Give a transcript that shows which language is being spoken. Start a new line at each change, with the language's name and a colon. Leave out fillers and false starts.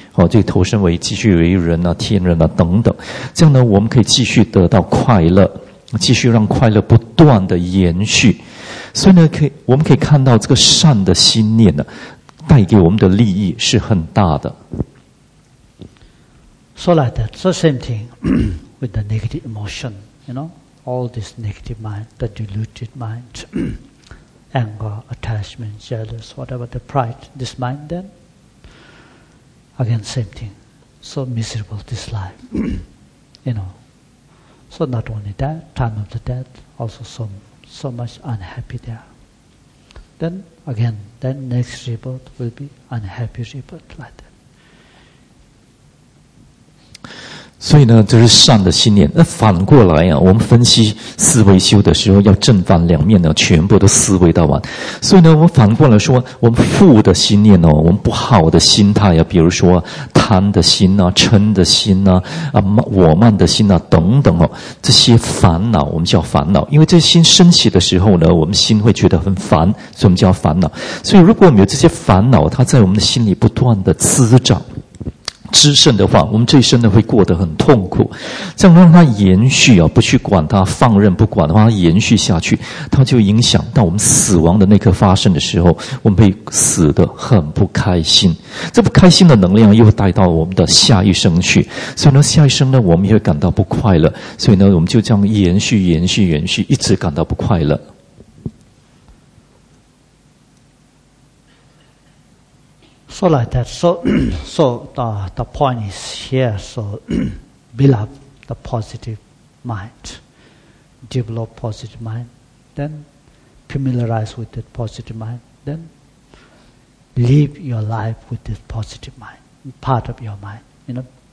Chinese: 哦，就投身为继续为人啊，天人啊等等，这样呢，我们可以继续得到快乐，继续让快乐不断的延续。所以呢，我们可以看到这个善的心念呢，带给我们的利益是很大的。
English: So like that, the same thing with the negative emotion, you know, all this negative mind, the deluded mind, anger, attachment, jealous, whatever the pride, this mind then. Again, same thing. So miserable this life, you know. So not only that, time of the death, also so much unhappy there. Then again, then next rebirth will be unhappy rebirth like that.
Chinese: 所以呢，这是善的信念。那反过来啊，我们分析思维修的时候，要正反两面呢，全部都思维到完。所以呢，我们反过来说，我们负的信念呢，我们不好的心态啊，比如说贪的心啊、嗔的心啊、我慢的心啊等等哦，这些烦恼我们叫烦恼，因为这些心升起的时候呢，我们心会觉得很烦，所以我们叫烦恼。所以如果我们有这些烦恼，它在我们的心里不断的滋长。滋生的话，我们这一生呢会过得很痛苦。这样让它延续啊，不去管它，放任不管的话，它延续下去，它就影响到我们死亡的那刻发生的时候，我们会死得很不开心。这不开心的能量又带到我们的下一生去，所以呢，下一生呢，我们也会感到不快乐。所以呢，我们就这样延续、延续、延续，一直感到不快乐。
English: So like that, so the point is here, so build up the positive mind, develop positive mind, then familiarize with that positive mind, then live your life with this positive mind, part of your mind, you know,